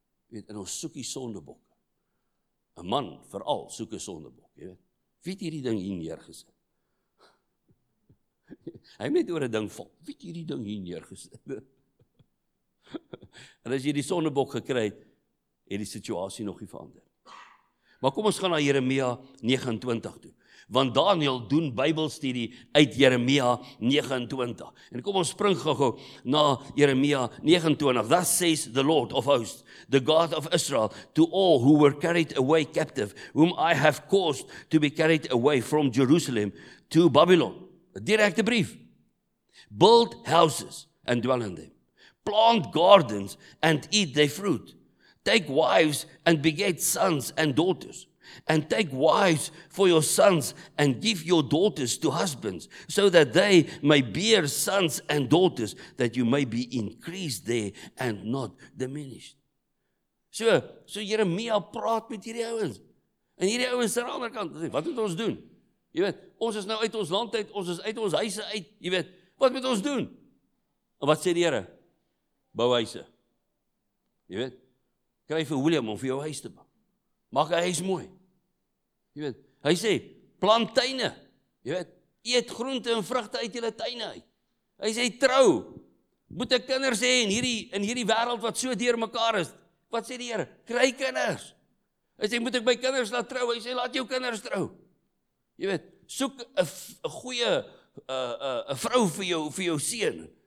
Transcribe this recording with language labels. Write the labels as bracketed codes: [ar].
[af] Jy weet, en ons soek die sondebok. Een man, vooral, soek die sondebok, jy weet. Wie het hierdie ding hier neergesit? Hy het oor die ding vol. Wie het hierdie ding hier neergesit? En as jy die sondebok gekry het, het die situasie nog nie verander. Maar kom ons gaan na Jeremia 29 toe. Want Daniel doen Bybelstudie uit Jeremia 29. En kom ons spring gou-gou na Jeremia 29. [en] Thus says the Lord of hosts, the God of Israel, to all who were carried away captive, whom I have caused to be carried away from Jerusalem to Babylon. [af] A directe brief. [en] Build houses and dwell in them. Plant gardens and eat their fruit. Take wives and beget sons and daughters. And take wives for your sons and give your daughters to husbands, so that they may bear sons and daughters, that you may be increased there and not diminished. [af] So Jeremia praat met hierdie ouens. En hierdie ouens aan die ander kant, wat moet ons doen? Jy weet, ons is nou uit ons land uit, ons is uit ons huise uit, jy weet, wat moet ons doen? En wat sê die Here? Bou huise. Jy weet, kry vir William om vir jou huis te bou. Maak hy huis mooi. Jy weet, hy sê, plant tuine. Jy weet, eet groente en vrugte uit julle tuine uit. Hy sê, trou. Moet ek kinders hê in hierdie wêreld wat so deur mekaar is. Wat sê die Here? Kry kinders. Hy sê, moet ek my kinders laat trou? Hy sê, laat jou kinders trou. Jy weet, soek 'n goeie vrou vir jou seun.